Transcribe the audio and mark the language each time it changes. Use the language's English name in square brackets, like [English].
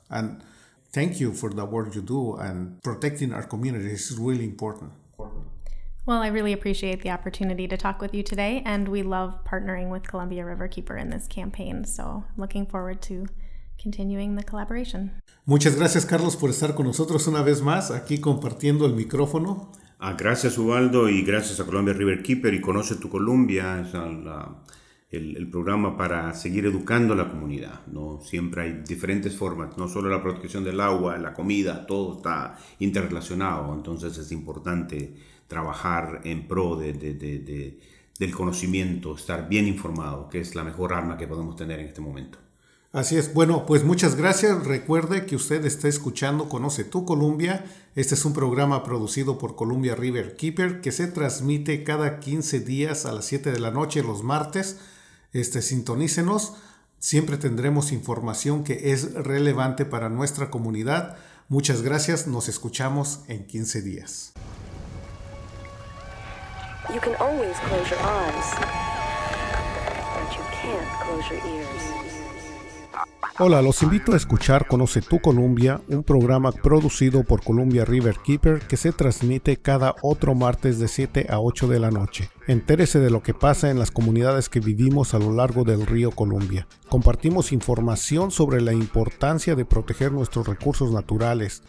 [English] And thank you for the work you do and protecting our communities is really important. Well, I really appreciate the opportunity to talk with you today, and we love partnering with Columbia Riverkeeper in this campaign, so looking forward to continuing the collaboration. [Spanish] Muchas gracias, Carlos, por estar con nosotros una vez más aquí compartiendo el micrófono. Gracias, Ubaldo, y gracias a Columbia Riverkeeper y Conoce tu Columbia, es el programa para seguir educando a la comunidad, ¿no? Siempre hay diferentes formas, no solo la protección del agua, la comida, todo está interrelacionado, entonces es importante trabajar en pro del conocimiento, estar bien informado, que es la mejor arma que podemos tener en este momento. Así es. Bueno, pues muchas gracias. Recuerde que usted está escuchando Conoce tu Columbia. Este es un programa producido por Columbia Riverkeeper que se transmite cada 15 días a las 7 de la noche los martes. Sintonícenos. Siempre tendremos información que es relevante para nuestra comunidad. Muchas gracias. Nos escuchamos en 15 días. [English] You can always close your eyes, but you can't close your ears. [Spanish] Hola, los invito a escuchar Conoce tu Columbia, un programa producido por Columbia Riverkeeper que se transmite cada otro martes de 7 a 8 de la noche. Entérese de lo que pasa en las comunidades que vivimos a lo largo del río Columbia. Compartimos información sobre la importancia de proteger nuestros recursos naturales.